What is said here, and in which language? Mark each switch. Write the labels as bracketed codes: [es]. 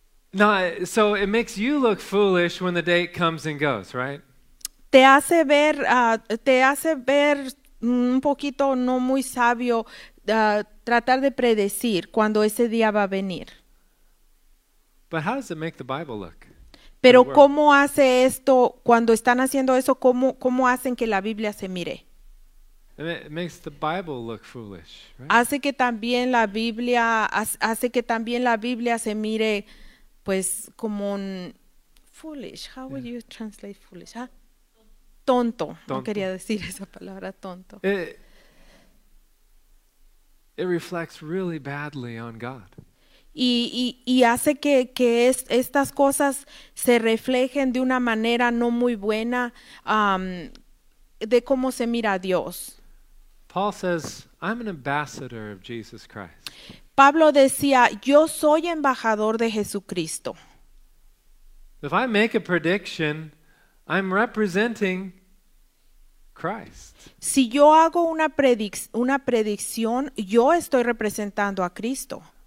[en] No, so it makes you look foolish when the date comes and goes, right? [es] Te hace ver un poquito no muy sabio tratar de predecir cuando ese día va a venir. [en] But how does it make the Bible look? [es] Pero ¿cómo hace esto cuando están haciendo eso? ¿Cómo hacen que la Biblia se mire? [en] It makes the Bible look foolish, right? [es] Hace que también la Biblia se mire pues como un foolish. [en] How would you translate foolish? Huh? [es] Tonto. Tonto. No quería decir esa palabra, tonto. [en] It reflects really badly on God. [es] Y hace que estas cosas se reflejen de una manera no muy buena de cómo se mira a Dios. [en] Paul says, I'm an ambassador of Jesus Christ. [es] Pablo decía, yo soy embajador de Jesucristo. [en] If I make a prediction, I'm representing Christ. [es] Si yo hago una predicción, yo estoy representando a Cristo.